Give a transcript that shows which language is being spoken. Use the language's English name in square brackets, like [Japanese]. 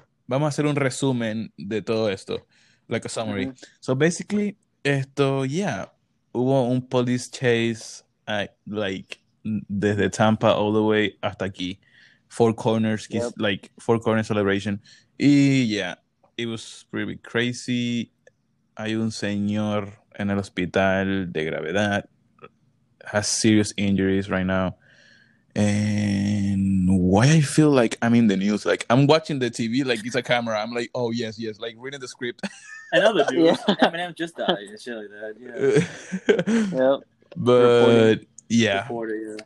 [Spanish] Vamos a hacer un resumen de todo esto. [English] Like a summary. [Spanish] Mm-hmm. [English] So basically, [Spanish] esto, [English] yeah. [Spanish] Hubo un [English] police chase at, like, [Spanish] desde [English] Tampa all the way [Spanish] hasta aquí. [English] Four Corners, yep. Like, Four Corners celebration. Y, yeah, it was pretty crazy. [Spanish] Hay un señor en el hospital de gravedad. [English] Has serious injuries right now. And why I feel like I'm in the news, like I'm watching the TV, like it's a camera. I'm like, oh yes, like reading the script. Another dude, yeah. Eminem just died, shit like that. Yeah. But Reporter, yeah.